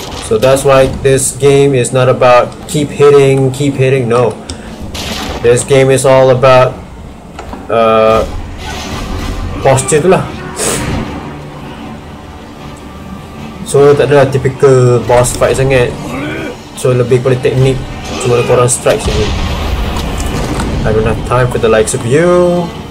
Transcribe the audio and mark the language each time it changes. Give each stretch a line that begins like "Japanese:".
English: So that's why this game is not about keep hitting, no. This game is all about posture
Malay: tu lah. So tak adalah
English: typical boss fight
Malay: sangat. So lebih kepada teknik, cuma korang strike sini.
English: I don't have time for the likes of you.